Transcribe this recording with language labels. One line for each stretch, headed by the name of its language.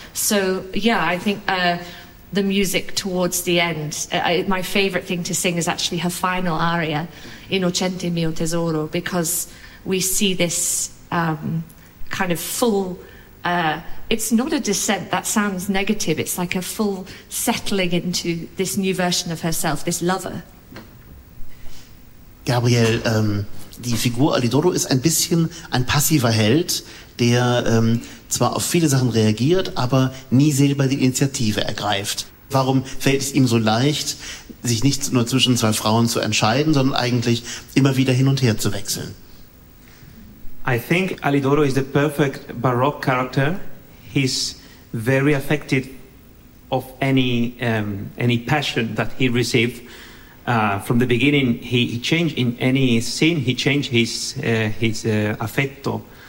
English: So yeah, I think the music towards the end, my favorite thing to sing is actually her final aria, Innocente mio tesoro, because we see this kind of full it's not a descent, that sounds negative, it's like a full settling into this new version of herself, this lover.
German: Gabriel, die Figur Alidoro ist ein bisschen ein passiver Held, der zwar auf viele Sachen reagiert, aber nie selber die Initiative ergreift. Warum fällt es ihm so leicht, sich nicht nur zwischen zwei Frauen zu entscheiden, sondern eigentlich immer wieder hin und her zu wechseln?
English: I think Alidoro is the perfect Baroque character. He's very affected of any passion that he received. From the beginning, he changed in any scene. He changed his affetto.